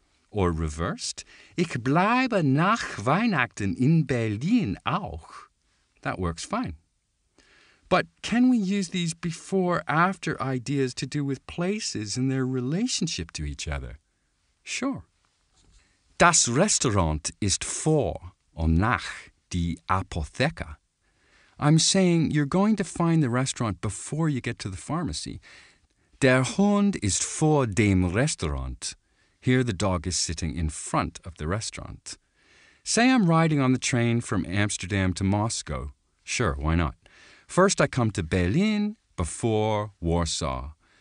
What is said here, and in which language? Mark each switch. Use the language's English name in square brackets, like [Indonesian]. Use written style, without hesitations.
[English] Or reversed, [German] ich bleibe nach Weihnachten in Berlin auch. [English] That works fine. But can we use these before-after ideas to do with places and their relationship to each other? Sure. [German] Das Restaurant ist vor und nach die Apotheke. [English] I'm saying you're going to find the restaurant before you get to the pharmacy. [German] Der Hund ist vor dem Restaurant. [English] Here the dog is sitting in front of the restaurant. Say I'm riding on the train from Amsterdam to Moscow. Sure, why not? First I come to Berlin before Warsaw.